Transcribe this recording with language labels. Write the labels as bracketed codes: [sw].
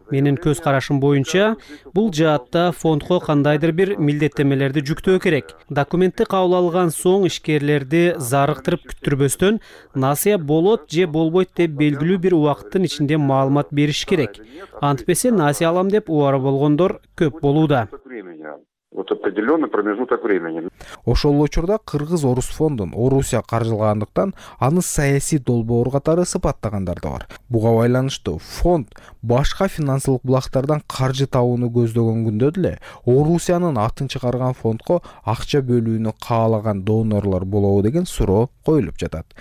[ky] Менин көз карашым боюнча, бул жаатта фондко кандайдыр бир милдеттемелерди жүктөө керек. Документти кабыл алган соң ишкерлерди зарыктырып күттүрбөстөн, насыя болот же болбойт деп белгилүү бир убакыттын ичинде маалымат бериш керек. Антпесе насыя алам деп уара болгондор көп болууда. [ru] Вот определенный промежуток времени. [ky] Ошол эле учурда кыргыз-орус фондун Орусия каржылагандыктан аны саясий долбоор катары сыпаттагандар да бар. Буга байланыштуу фонд башка финансылык булактардан каржы табууну көздөгөн күндө деле Орусиянын атын чыгарган фондко акча бөлүүнү каалаган донорлор болобу деген суроо коюлуп жатат.